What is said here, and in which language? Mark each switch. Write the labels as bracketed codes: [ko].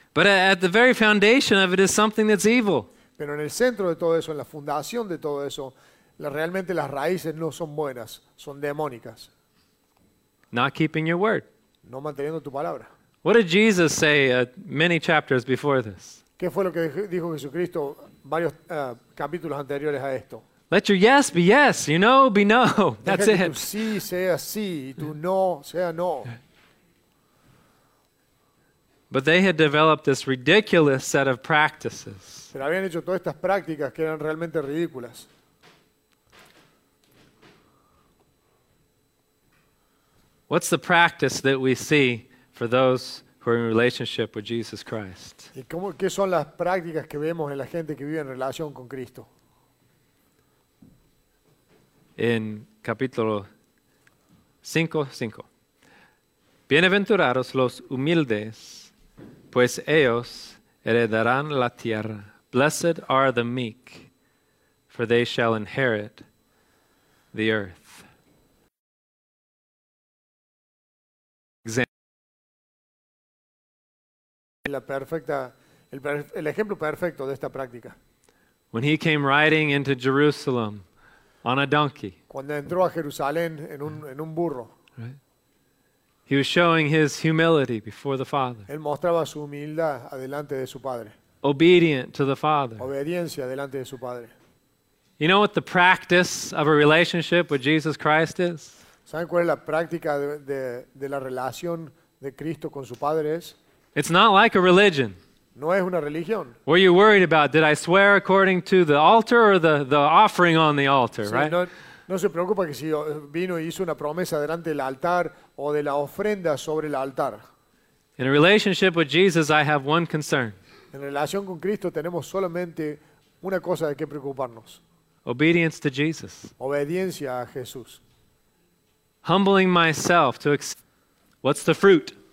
[en] But at the very foundation of it is something that's evil. [es] Pero en el centro de todo eso, en la fundación de todo eso, realmente las raíces no son buenas, son demónicas. [en] Not keeping your word. [es] No manteniendo tu palabra. [en] What did Jesus say many chapters before this? [es] ¿Qué fue lo que dijo Jesucristo varios capítulos anteriores a esto? [en] Let your yes be yes, your no be no. That's [es] deja [en] it. [es] Tu sí sea sí, tu no sea no. [en] But they had developed this ridiculous set of practices. [es] Pero habían hecho todas estas prácticas que eran realmente ridículas. [en] What's the practice that we see for those who are in relationship with Jesus Christ? [es] ¿Y cómo, qué son las prácticas que vemos en la gente que vive en relación con Cristo? En capítulo 5:5. Bienaventurados los humildes, pues ellos heredarán la tierra. [en] Blessed are the meek, for they shall inherit the earth. [es] El ejemplo perfecto de esta práctica. [en] When he came riding into Jerusalem on a donkey. [es] Cuando entró a Jerusalén en un burro. [en] Right. He was showing his humility before the Father. [es] Él mostraba su humildad delante de su Padre. [en] Obedient to the Father. [es] Obediencia delante de su Padre. [en] You know what the practice of a relationship with Jesus Christ is? [es] ¿Saben cuál es la práctica de la relación de Cristo con su Padre es? [en] It's not like a religion. [es] No es una religión. [en] Were you worried about, did I swear according to the altar or the offering on the altar, [es] sí, [en] right? [es] No se preocupa que si vino y hizo una promesa delante del altar o de la ofrenda sobre el altar. [en] In a relationship with Jesus, I have one concern. [es] En relación con Cristo tenemos solamente una cosa de qué preocuparnos. [en] Obedience to Jesus. [es] Obediencia a Jesús. [en] Humbling myself to what's the fruit?